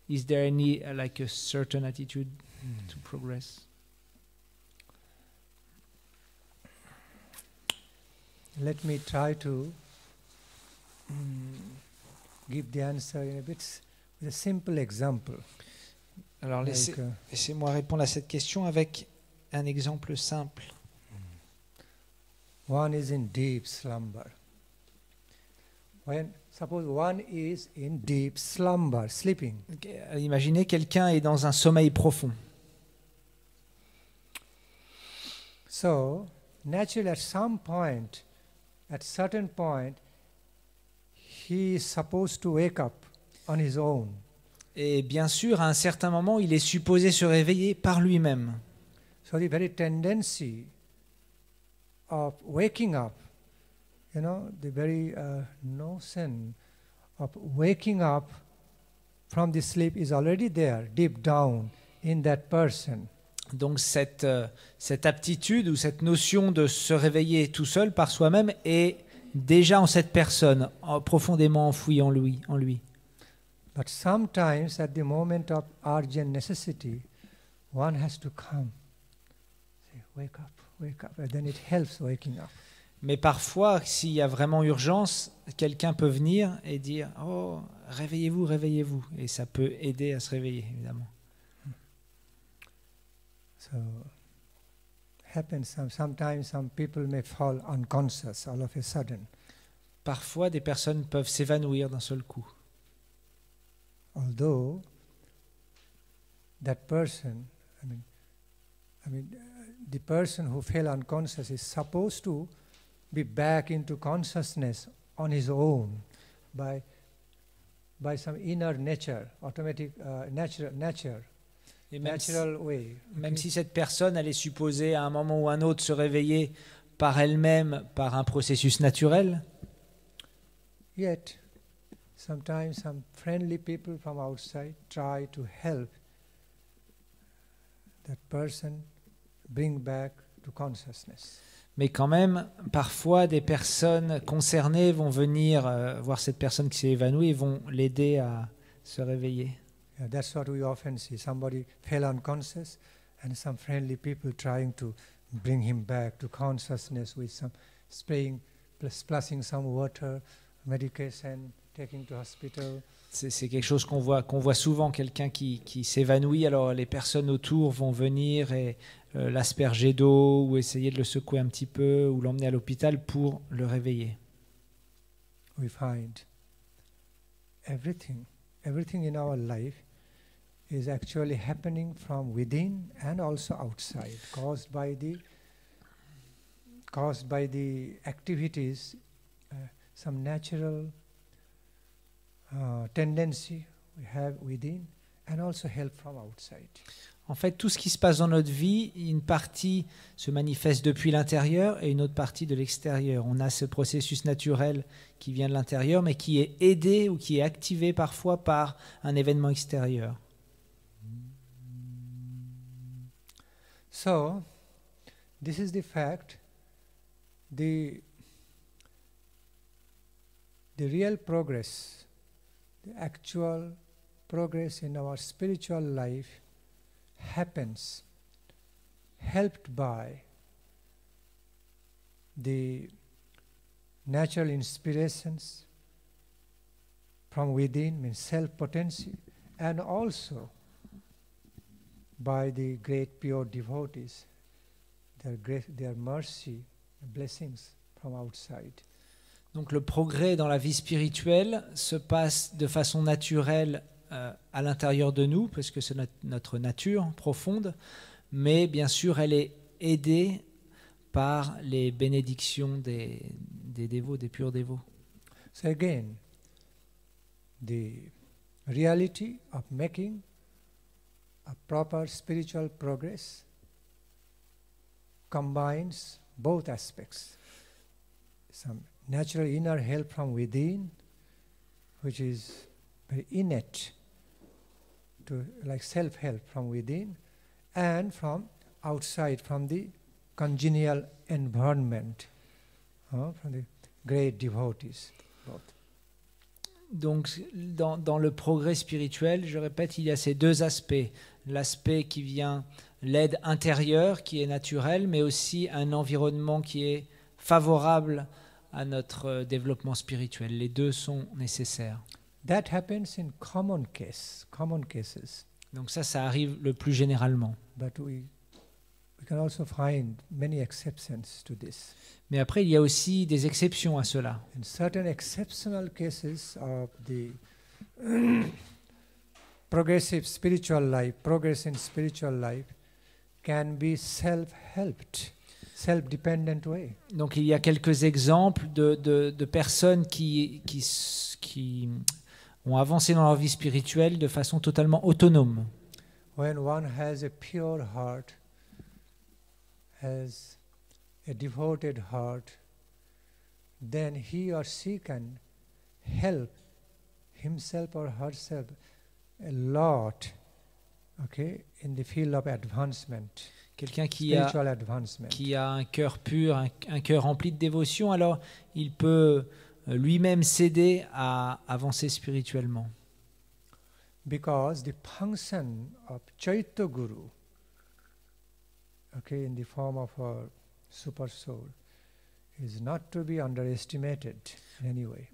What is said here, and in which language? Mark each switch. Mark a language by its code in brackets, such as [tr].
[en] Is there any like a certain attitude to progress? Let me try to give the answer in a bit with a simple example. [fr] Alors laissez-moi répondre à cette question avec un exemple simple. [en] One is in deep slumber. When suppose one is in deep slumber, sleeping. [fr] Imaginez quelqu'un est dans un sommeil profond. [en] So naturally at some point, at certain point, he is supposed to wake up on his own. [fr] Et bien sûr, à un certain moment, il est supposé se réveiller par lui-même. [en] So the very tendency of waking up, you know, the very notion of waking up from the sleep is already there, deep down, in that person. [fr] Donc cette aptitude ou cette notion de se réveiller tout seul par soi-même est déjà en cette personne, profondément enfouie en lui. [en] But sometimes, at the moment of urgent necessity, one has to come. Wake up, and then it helps waking up. [fr] Mais parfois, s'il y a vraiment urgence, quelqu'un peut venir et dire, oh, réveillez-vous, et ça peut aider à se réveiller, évidemment. [en] So, happens sometimes. Some people may fall unconscious all of a sudden. [fr] Parfois, des personnes peuvent s'évanouir d'un seul coup. [en] Although that person, the person who fell unconscious is supposed to be back into consciousness on his own by some inner nature, automatic natural way. [fr] Même si cette personne allait supposer à un moment ou un autre se réveiller par elle-même, par un processus naturel. [en] Yet, sometimes some friendly people from outside try to help that person bring back to consciousness. [fr] Mais quand même, parfois, des personnes concernées vont venir voir cette personne qui s'est évanouie et vont l'aider à se réveiller. [en] Yeah, that's what we often see. Somebody fell unconscious and some friendly people trying to bring him back to consciousness with some spraying, splashing some water, medication, taking to hospital. [fr] C'est quelque chose qu'on voit souvent, quelqu'un qui s'évanouit, alors les personnes autour vont venir et l'asperger d'eau ou essayer de le secouer un petit peu ou l'emmener à l'hôpital pour le réveiller. [en] We find everything in our life is actually happening from within and also outside, caused by the activities, some natural tendency we have within, and also help from outside. [fr] En fait, tout ce qui se passe dans notre vie, une partie se manifeste depuis l'intérieur et une autre partie de l'extérieur. On a ce processus naturel qui vient de l'intérieur, mais qui est aidé ou qui est activé parfois par un événement extérieur. [en] So, this is the fact. The real progress, the actual progress in our spiritual life happens, helped by the natural inspirations from within, means self potency, and also by the great pure devotees, their grace, their mercy, blessings from outside. [fr] Donc le progrès dans la vie spirituelle se passe de façon naturelle à l'intérieur de nous, parce que c'est notre nature profonde, mais bien sûr elle est aidée par les bénédictions des dévots, des purs dévots. [en] So again, the reality of making a proper spiritual progress combines both aspects. Some natural inner help from within, which is very innate, to like self-help from within, and from outside, from the congenial environment, from the great devotees, both. [fr] Donc, dans le progrès spirituel, je répète, il y a ces deux aspects. L'aspect qui vient, l'aide intérieure, qui est naturelle, mais aussi un environnement qui est favorable à notre développement spirituel. Les deux sont nécessaires. [en] That happens in common cases. [fr] Donc ça arrive le plus généralement. [en] But we can also find many exceptions to this. [fr] Mais après, il y a aussi des exceptions à cela. [en] In certain exceptional cases of the progressive spiritual life, progress in spiritual life can be self-helped. self-dependent way. [fr] Donc il y a quelques exemples de personnes qui ont avancé dans leur vie spirituelle de façon totalement autonome. [en] When one has a pure heart, has a devoted heart, then he or she can help himself or herself a lot, okay, in the field of advancement. [fr] Quelqu'un qui a un cœur pur, un cœur rempli de dévotion, alors il peut lui-même s'aider à avancer spirituellement. [en] Because the function of Chaitanya Guru, okay, in the form of a super soul, is not to be underestimated in any way.